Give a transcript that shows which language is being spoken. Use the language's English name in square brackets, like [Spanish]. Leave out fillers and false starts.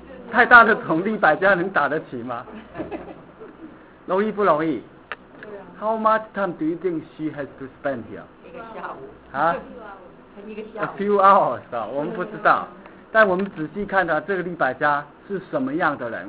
[Chinese] 太大的桶立百家能打得起吗？容易不容易？ [English] How much time do you think she has to spend here? [Chinese] 一个下午。啊？一个下午。 [English] A few hours [Chinese] 啊，我们不知道。但我们仔细看到这个立百家是什么样的人。